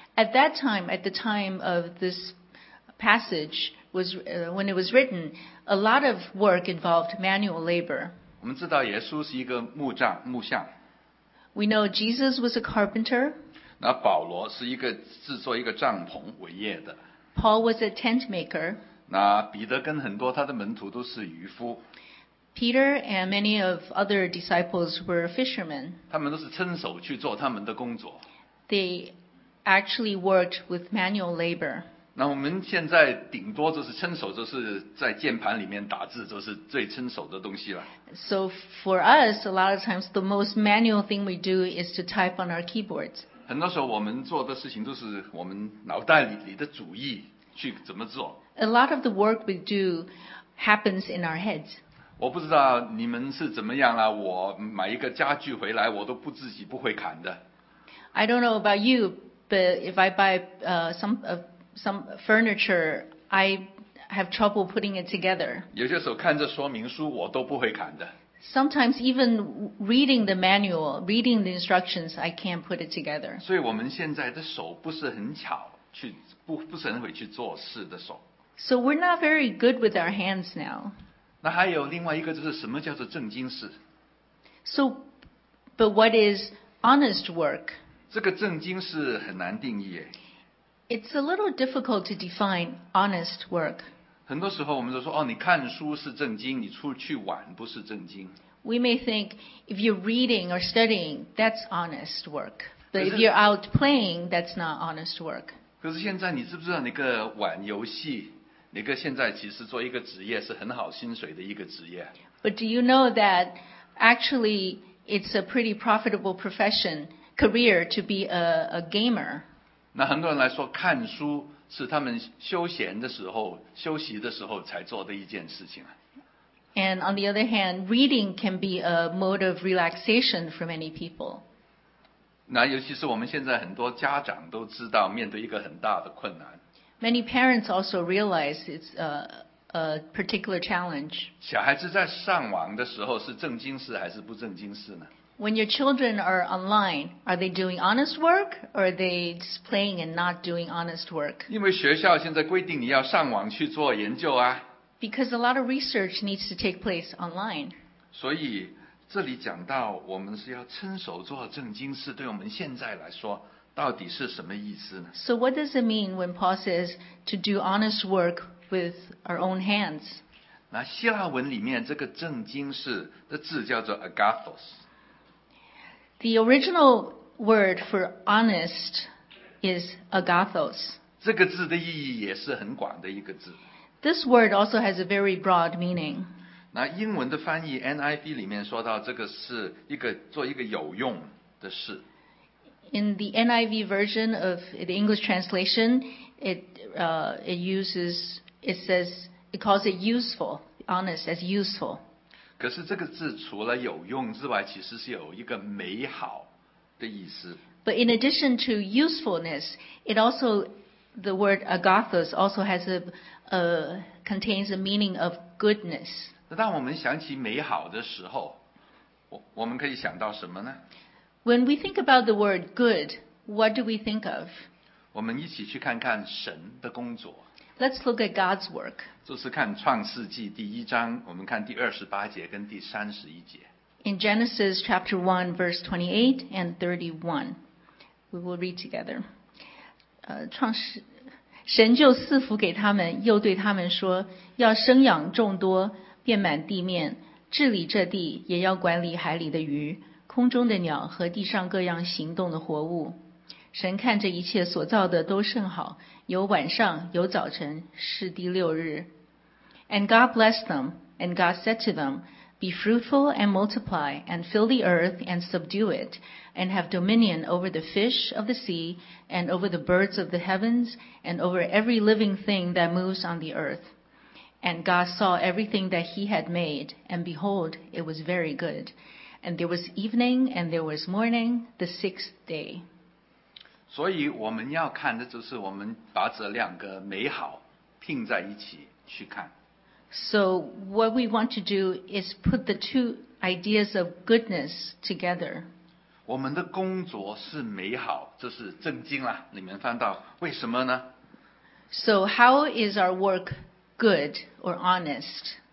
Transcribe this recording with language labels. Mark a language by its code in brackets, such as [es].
[en] At that time, at the time of this passage, was, when it was written, a lot of work involved manual labor. [zh] 我们知道耶稣是一个木匠。 [en] We know Jesus was a carpenter. [zh] 那保罗是一个制作一个帐篷为业的。 [en] Paul was a tent maker. [zh] 那彼得跟很多他的门徒都是渔夫。 [en] Peter and many of other disciples were fishermen. [zh] 他们都是伸手去做他们的工作。 [en] They actually worked with manual labor. [zh] 那我们现在顶多就是伸手，就是在键盘里面打字，就是最伸手的东西了。 [en] So for us, a lot of times the most manual thing we do is to type on our keyboards. [zh] 很多时候我们做的事情都是我们脑袋里的主意去怎么做。 [en] A lot of the work we do happens in our heads. [zh] 我不知道你们是怎么样了，我买一个家具回来，我都不自己不会砍的。 [en] I don't know about you, but if I buy some furniture, I have trouble putting it together. [zh] 有些时候看着说明书，我都不会砍的。 [en] Sometimes even reading the manual, reading the instructions, I can't put it together. [zh] 所以我们现在的手不是很巧，不是很会去做事的手。 [en] So we're not very good with our hands now. [zh] 那还有另外一个就是什么叫做正经事？ [en] So, but what is honest work? [zh] 这个正经事很难定义耶。 [en] It's a little difficult to define honest work. [zh] 很多时候我们都说，哦，你看书是正经，你出去玩不是正经。 [en] We may think if you're reading or studying, that's honest work. But if you're out playing, that's not honest work. [zh] 可是现在你知不知道那个玩游戏，那个现在其实做一个职业是很好薪水的一个职业。 [en] But do you know that actually it's a pretty profitable profession, career to be a gamer? [zh] 那很多人来说看书是他们休闲的时候休息的时候才做的一件事情。 [en] And on the other hand, reading can be a mode of relaxation for many people. [zh] 那尤其是我们现在很多家长都知道面对一个很大的困难。 [en] Many parents also realize it's a particular challenge. [zh] 小孩子在上网的时候是正经事还是不正经事呢？ [en] When your children are online, are they doing honest work or are they just playing and not doing honest work? [zh] 因为学校现在规定你要上网去做研究啊。 [en] Because a lot of research needs to take place online. [zh] 所以这里讲到我们是要伸手做正经事，对我们现在来说到底是什么意思呢？ [en] So what does it mean when Paul says to do honest work with our own hands? [zh] 那希腊文里面这个正经事的字叫做 agathos。 [en] The original word for honest is agathos. [zh] 这个字的意义也是很广的一个字。 [en] This word also has a very broad meaning. [zh] 那英文的翻译 NIV 里面说到这个是一个做一个有用的事。 [en] In the NIV version of the English translation, it calls it useful, honest as useful. [zh] 可是这个字除了有用之外，其实是有一个美好的意思。 [en] But in addition to usefulness, it also the word agathos also has contains a meaning of goodness. [zh] 当我们想起美好的时候，我们可以想到什么呢？ [en] When we think about the word good, what do we think of? [zh] 我们一起去看看神的工作。 [en] Let's look at God's work. [zh] 就是看创世纪第一章，我们看第二十八节跟第三十一节。 [en] In Genesis chapter 1, verse 28 and 31, we will read together. [zh] 神就赐福给他们，又对他们说，要生养众多，遍满地面，治理这地，也要管理海里的鱼，空中的鸟和地上各样行动的活物。神看着一切所造的都甚好，有晚上，有早晨，是第六日。 [en] And God blessed them, and God said to them, Be fruitful and multiply, and fill the earth and subdue it, and have dominion over the fish of the sea, and over the birds of the heavens, and over every living thing that moves on the earth. And God saw everything that he had made, and behold, it was very good. And there was evening, and there was morning, the sixth day. [zh] 所以我们要看的就是我们把这两个美好拼在一起去看。 [en] So what we want to do is put the two ideas of goodness together. [zh] 我们的工作是美好，这是正经啦，你们翻到，为什么呢？ [en] So how is our work good or honest?